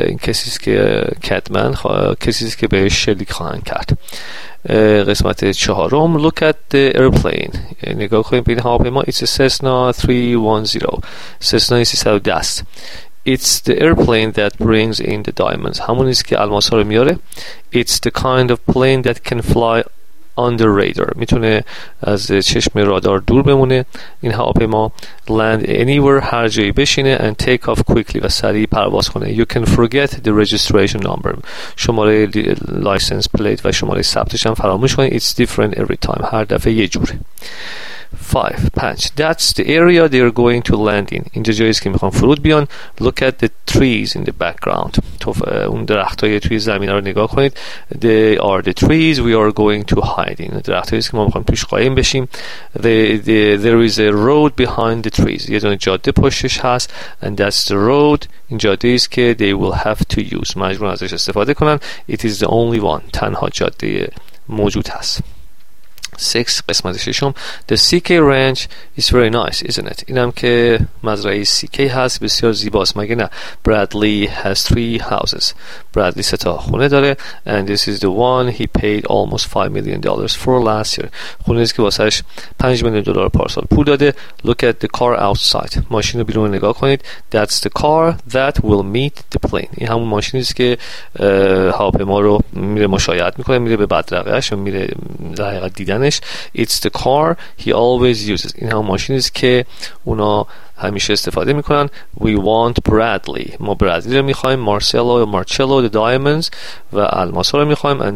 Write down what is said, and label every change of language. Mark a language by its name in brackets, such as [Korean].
[Persian] کسی است که بهش شلیک خواهند کرد. قسمت چهارم [English] Look at the airplane. نگاه کنیم به این هواپیما. It's a Cessna 310. Cessna 310. It's the airplane that brings in the diamonds. [Persian] همونی است که الماس ها رو میاره. [English] It's the kind of plane that can fly under radar. [Persian] میتونه از چشم رادار دور بمونه. این هواپیما [English] land anywhere، [Persian] هر جایی بشینه. [English] And take off quickly، [Persian] و سریع پرواز کنه. [English] You can forget the registration number، [Persian] شماره license plate و شماره ثبتش هم فراموش کنه. [English] It's different every time، [Persian] هر دفعه یه جوره. [English] 5. That's the area they are going to land in. [Persian] اینجا جایی است که میخوان فرود بیان. [English] Look at the trees in the background. [Persian] اون درخت های توی زمین رو نگاه کنید. [English] They are the trees we are going to hide in. [Persian] درخت هایی است که ما میخوان توش قایم بشیم. [English] There is a road behind the trees. [Persian] یه دونه جاده پشتش هست. [English] And that's the road. [Persian] این جاده است که [English] they will have to use. [Persian] مجبورن ازش استفاده کنن. [English] It is the only one. [Persian] تنها جاده موجود هست. 6. [English] قسمت ششم The CK ranch is very nice, isn't it? [Persian] اینم که مزرعه CK هست، بسیار زیباست، مگه نه؟ [English] Bradley has 3 houses. [Persian] Bradley 3 تا خونه داره. [English] And this is the one he paid almost $5 million for last year. [Persian] خونه ایست که واسهش $5 million پارسال پول داده. [English] Look at the car outside. [Persian] ماشین رو بیرون نگاه کنید. [English] That's the car that will meet the plane. [Persian] این همون ماشین ایست که هواپیما رو میره مشایعت میکنه، میره به بدرقهش و میره در حقیقت دیدن. [English] It's the car he always uses. [Persian] این هم ماشین است که اونا همیشه استفاده میکنن. [English] We want Bradley. [Persian] ما برادلی رو میخوایم. Marcello یا Marcello [English] the diamonds [Persian] و الماس رو میخوایم.